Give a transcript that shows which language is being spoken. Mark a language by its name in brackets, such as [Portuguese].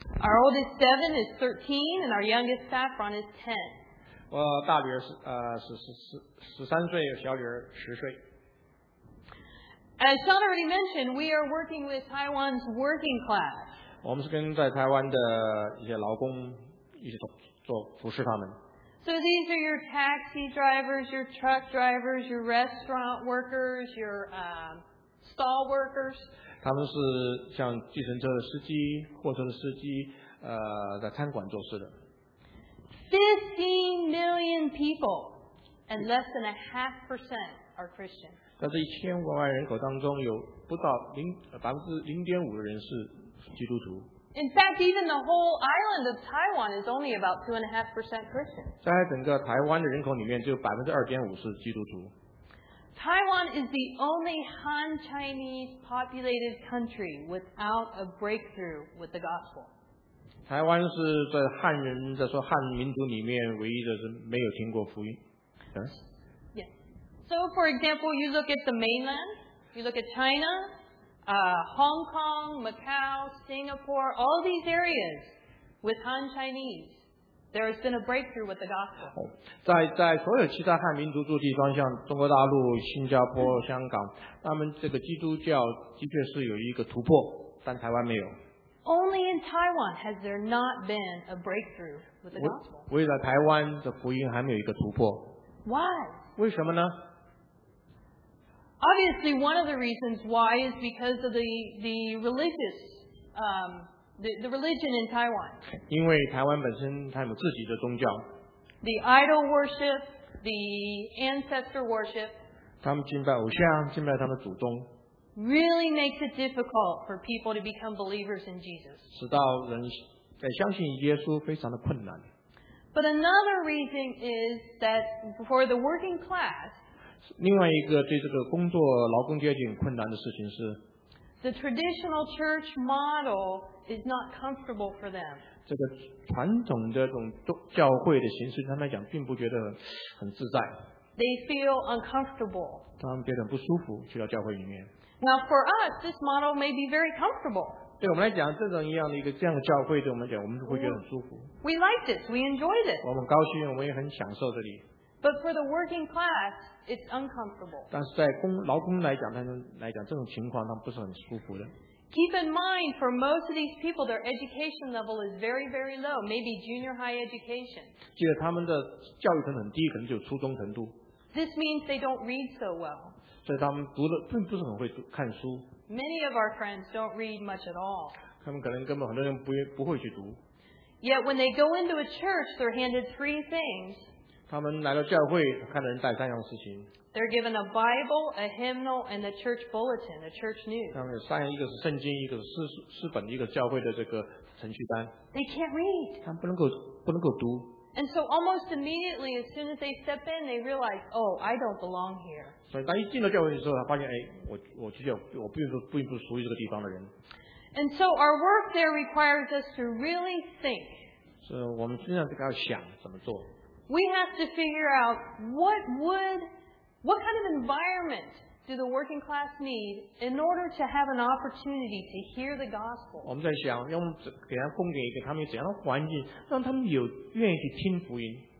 [English] Our oldest Devin is 13, and our youngest Saffron is 10. [Chinese] 我大女儿13岁，小女儿10岁。 [English] As Sean already mentioned, we are working with Taiwan's working class. [Chinese] 我们是跟在台湾的一些劳工一起做服侍他们。 [English] So these are your taxi drivers, your truck drivers, your restaurant workers, your stall workers. [Chinese] 他们是像计程车的司机、货车的司机，在餐馆做事的。 [English] 15 million people and less than 0.5% are Christian. [Chinese] 在这一千五百万人口当中，有不到0.5%的人是基督徒。 [English] In fact, even the whole island of Taiwan is only about 2.5% Christian. [Chinese] 在整个台湾的人口里面，只有2.5%是基督徒。 [English] Taiwan is the only Han Chinese populated country without a breakthrough with the gospel. [Chinese] 台湾是在汉人在说汉民族里面唯一的是没有听过福音。 [English] Yes. So, for example, you look at the mainland, you look at China, Hong Kong, Macau, Singapore, all these areas with Han Chinese, there has been a breakthrough with the gospel. [Chinese] 在所有其他汉民族住地方，像中国大陆、新加坡、香港，他们这个基督教的确是有一个突破，但台湾没有。 [English] Only in Taiwan has there not been a breakthrough with the gospel. [Chinese] 为了台湾的福音还没有一个突破。 [English] Why? [Chinese] 为什么呢？ [English] Obviously, one of the reasons why is because of the religious, the religion in Taiwan. [Chinese] 因为台湾本身它有自己的宗教。 [English] The idol worship, the ancestor worship. [Chinese] 他们敬拜偶像，敬拜他们祖宗。 [English] Really makes it difficult for people to become believers in Jesus. [Chinese] 使到人在相信耶稣非常的困难。 [English] But another reason is that for the working class, [Chinese] 另外一个对这个工作劳工阶级很困难的事情是 [English] the traditional church model is not comfortable for them. [Chinese] 这个传统的这种教会的形式，他们来讲并不觉得很自在。 [English] They feel uncomfortable. [Chinese] 他们觉得很不舒服，去到教会里面。 [English] Now for us, this model may be very comfortable. [Chinese] 对我们来讲，这种一样的一个这样的教会，对我们来讲，我们会觉得很舒服。 [English] We like this. We enjoy this. [Chinese] 我们高兴，我们也很享受这里。 [English] But for the working class, it's uncomfortable. [Chinese] 但是在劳工来讲，这种情况他们不是很舒服的。 [English] Keep in mind, for most of these people, their education level is very, very low, maybe junior high education. [Chinese] 记得他们的教育程度很低，可能就初中程度。 [English] This means they don't read so well. [Chinese] 所以他们读的并不是很会看书。 [English] Many of our friends don't read much at all. [Chinese] 他们可能根本很多人不会去读。 [English] Yet when they go into a church, they're handed three things. [Chinese] 他们来到教会，看人带三样事情。 [English] They're given a Bible, a hymnal, and a church bulletin, a church news. [Chinese] 他们有三样，一个是圣经，一个是诗本，一个教会的这个程序单。 [English] They can't read. [Chinese] 他们不能够读。 [English] And so almost immediately, as soon as they step in, they realize, oh, I don't belong here. [Chinese] 所以当一进到教会的时候，他发现，哎，我其实我并不属于这个地方的人。 [English] And so our work there requires us to really think. [Chinese] 所以我们经常要想怎么做。 [English] We have to figure out what kind of environment do the working class need in order to have an opportunity to hear the gospel. [Chinese] 我们在想，要给他供给一个他们怎样的环境，让他们有愿意去听福音。